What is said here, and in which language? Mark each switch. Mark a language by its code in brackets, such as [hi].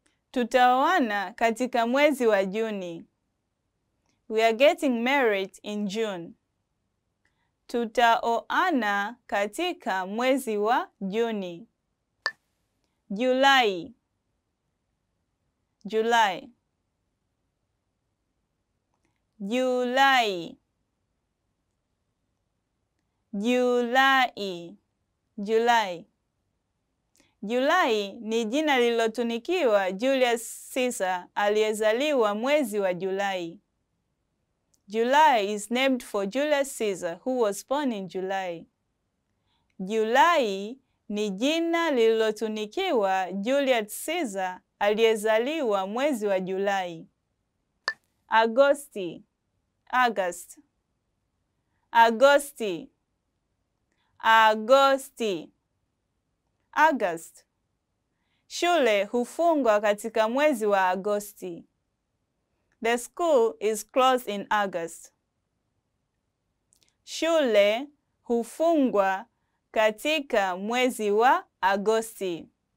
[sw] Tutaoana katika mwezi wa Juni. [en] We are getting married in June. [sw] Tutaoana katika mwezi wa Juni. [en] July. July. July. July. July. [sw] July ni jina lilotunikiwa Julius Caesar aliyezaliwa mwezi wa July. [en] July is named for Julius Caesar who was born in July. [sw] July ni jina lilotunikiwa Julius Caesar aliyezaliwa mwezi wa July. Agosti. August. Agosti. Agosti. August. Shule hufungwa katika mwezi wa Agosti. The school is closed in August. Shule hufungwa katika mwezi wa Agosti.